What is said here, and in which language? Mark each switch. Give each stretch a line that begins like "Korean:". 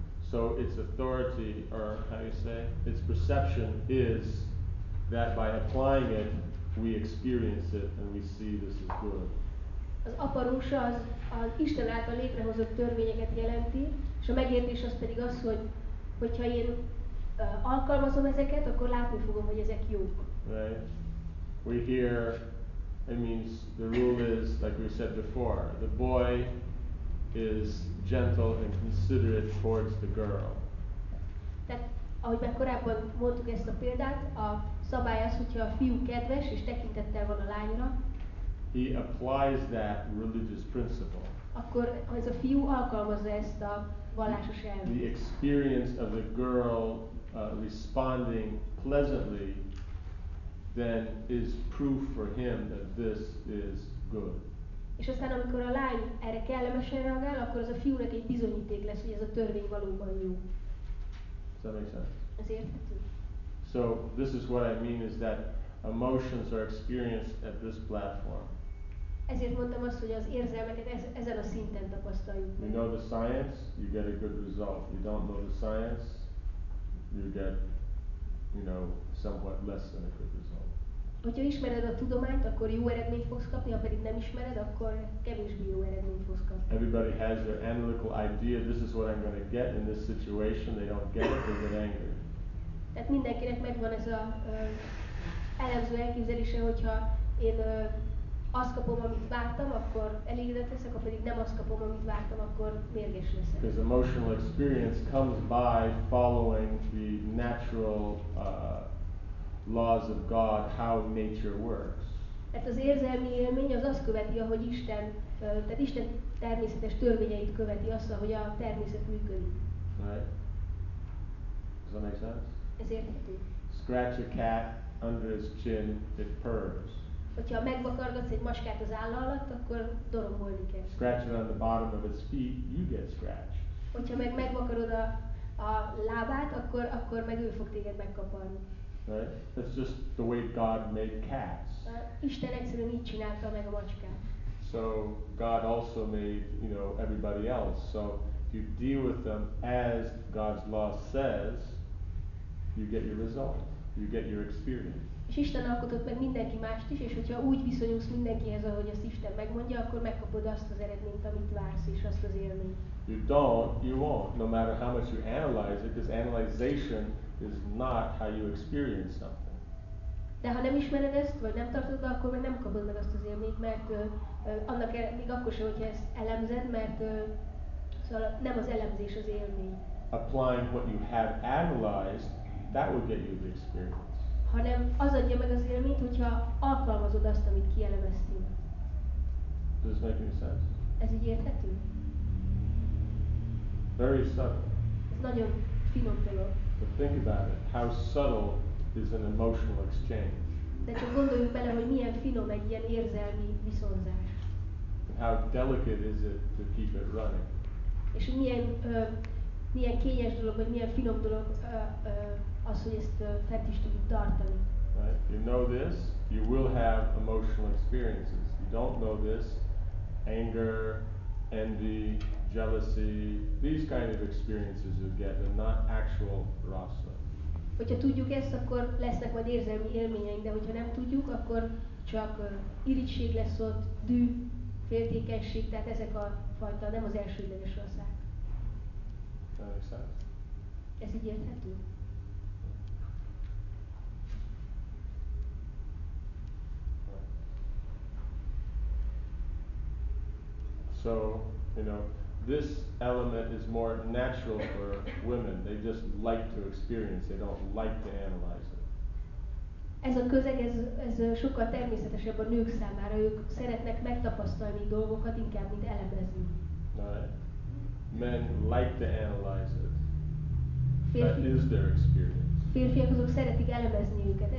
English: So its authority, or how you say, its perception is that by applying it, we experience it and we see this is good.
Hungarian: Az aparósa az, az Isten által létrehozott törvényeket jelenti, és a megértés az pedig az, hogy hogyha én alkalmazom ezeket, akkor látni fogom, hogy ezek jók.
English: Right. We hear, it means the rule is, like we said before, the boy is gentle and considerate towards the girl.
Hungarian: Tehát, ahogy már korábban mondtuk ezt a példát, a szabály az, hogyha a fiú kedves és tekintettel van a lányra,
English: he applies that religious principle.
Hungarian: Akkor ez a fiú alkalmazza ezt a vallásos elvet.
English: The experience of the girl responding pleasantly then is proof for him that this is good.
Hungarian: És aztán, amikor a lány erre kellemesen reagál, akkor az a fiúnak egy bizonyíték lesz, hogy ez a törvény valóban jó.
English: Does that make sense?
Hungarian: Ez érthető.
English: So, this is what I mean is that emotions are experienced at this platform.
Hungarian: Ezért mondtam azt, hogy az érzelmeket ezen a szinten tapasztaljuk.
English: You know the science, you get a good result. You don't know the science, you get, you know, somewhat less than a good result.
Hungarian: Hogyha ismered a tudományt, akkor jó eredményt fogsz kapni, ha pedig nem ismered, akkor kevésbé jó eredményt fogsz kapni.
English: Everybody has their analytical idea, this is what I'm going to get in this situation, they don't get it, they get angry.
Hungarian: Tehát mindenkinek megvan ez a elemző elképzelése, hogyha én azt kapom, amit vártam, akkor elégedett leszek, ha pedig nem azt kapom, amit vártam, akkor mérges leszek.
English: Because emotional experience comes by following the natural laws of God, how nature works.
Hungarian: Hát az érzelmi élmény az azt követi, ahogy Isten, tehát Isten természetes törvényeit követi, azt, ahogy a természet működik.
English: Right? Does that make sense?
Hungarian: Ez érthető.
English: Scratch a cat under his chin, it purrs.
Hungarian: Hogyha megvakargatsz egy macskát az álla alatt, akkor dorombolni kell.
English: Scratch it on the bottom of its feet, you get scratched.
Hungarian: Hogyha meg megvakarod a lábát, akkor meg ő fog téged megkaparni.
English: Right? That's just the way God made cats.
Hungarian: Isten egyszerűen így csinálta meg a macskát.
English: So God also made, you know, everybody else. So you deal with them as God's law says, you get your result. You get your experience.
Hungarian: És Isten alkotott meg mindenki mást is, és hogyha úgy viszonyulsz mindenkihez, ahogy ezt Isten megmondja, akkor megkapod azt az eredményt, amit vársz, és azt az élményt.
English: You don't, you won't, no matter how much you analyze it, because analyzation is not how you experience something.
Hungarian: De ha nem ismered ezt, vagy nem tartod be, akkor meg nem kapod meg azt az élményt, mert annak még akkor sem, hogyha ezt elemzed, mert szóval nem az elemzés az élmény.
English: Applying what you have analyzed, that will get you the experience.
Hungarian: Hanem az adja meg az élményt, hogyha alkalmazod azt, amit kielemeztél.
English: Does this make any sense?
Hungarian: Ez így érthető?
English: Very subtle.
Hungarian: Ez nagyon finom dolog.
English: But think about it. How subtle is an emotional exchange?
Hungarian: De csak gondoljunk bele, hogy milyen finom egy ilyen érzelmi viszonzás.
English: And how delicate is it to keep it running?
Hungarian: És milyen milyen kényes dolog, vagy milyen finom dolog az, hogy ezt fent is tudjuk tartani.
English: Right. You know this, you will have emotional experiences. You don't know this, anger, envy, jealousy, these kind of experiences you get, but not actual rasa.
Hungarian: Hogyha tudjuk ezt, akkor lesznek majd érzelmi élményeink, de hogyha nem tudjuk, akkor csak irigység lesz ott, dű, féltékenység, tehát ezek a fajta, nem az elsődleges rasszák. Ez így érthető?
English: So, you know, this element is more natural for women. They just like to experience. They don't like to analyze it.
Hungarian: Ez a közeg, ez sokkal természetesebb a nők számára. Ők szeretnek megtapasztalni dolgokat inkább, mint elemezni.
English: Right. Men like to analyze it. That is their experience.
Hungarian: Férfiak azok szeretik elemezni őket.